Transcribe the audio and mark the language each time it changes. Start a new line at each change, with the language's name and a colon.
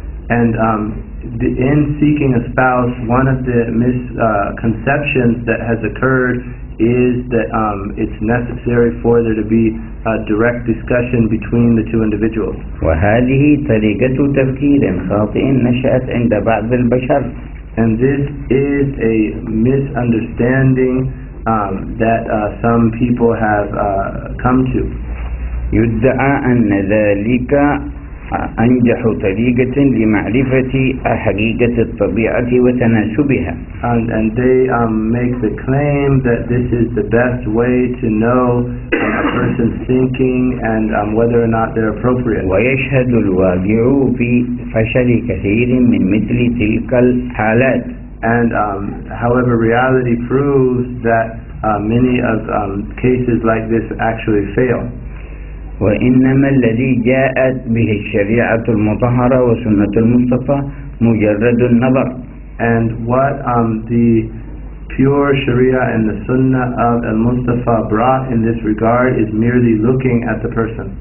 English: And in seeking a spouse, one of the misconceptions that has occurred is that it's necessary for there to be a direct discussion between the two individuals.
Arabic: وهذه طريقة تفكير خاطئ نشأت عند بعض البشر.
English: And this is a misunderstanding that some people have come to.
Arabic: يدعى أن ذلك أنجح طريقة لمعرفة حقيقة الطبيعة وتناسبها.
English: And they make the claim that this is the best way to know a person's thinking and whether or not they're appropriate.
Arabic: ويشهد الواقع في فشل كثير من مثل تلك الحالات.
English: And however, reality proves that many of cases like this actually fail.
Arabic: وإنما الذي جاءت به الشريعة المطهرة وسنة المصطفى مجرد النظر.
English: And what the pure Sharia and the Sunnah of al-Mustafa brought in this regard is merely looking at the person.